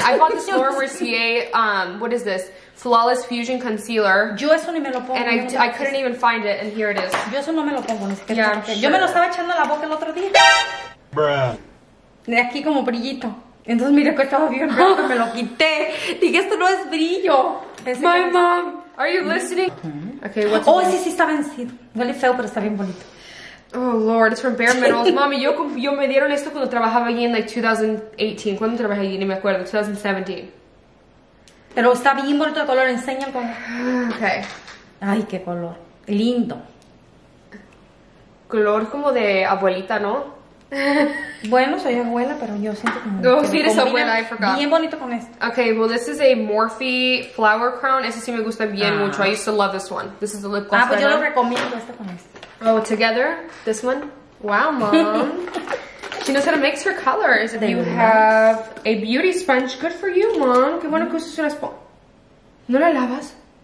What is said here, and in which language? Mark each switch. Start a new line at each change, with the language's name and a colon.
English: I bought the Storm Mercier, what is this? Flawless Fusion Concealer.
Spanish: Yo eso ni me lo pongo.
English: And I couldn't even find it, and here it is.
Spanish: Yo eso no me lo pongo, ni siquiera.
English: Yeah, sure.
Spanish: Yo me lo estaba echando a la boca el otro día.
English: Bruh.
Spanish: De aquí como brillito. Entonces mira que estaba bien raro que me lo quité. Dije, esto no es brillo.
English: Pensé my mom, are you listening? Okay, what's
Spanish: oh, sí, sí, está vencido. Huele feo, pero está bien bonito.
English: Oh, Lord, it's from Bare Minerals.
Spanish: Mami, yo me dieron esto cuando trabajaba allí en, like, 2018. ¿Cuándo trabajé allí? Ni me acuerdo. 2017. Pero está bien bonito de color. Enseña el color. Ok. Ay, qué color. Lindo. Color como de abuelita, ¿no? Bueno, soy abuela, pero yo siento como... Oh, si eres abuela,
English: I forgot.
Spanish: Bien bonito con esto.
English: Ok, well, this is a Morphe Flower Crown.
Spanish: Ese sí me gusta bien mucho.
English: I used to love this one. This is the lip gloss.
Spanish: Ah, pues yo lo recomiendo este con este.
English: Oh, together, this one? Wow, mom. She knows how to mix her colors. They you have a beauty sponge. Good for you, mom.
Spanish: Qué bueno que usas una esponja. ¿No la lavas?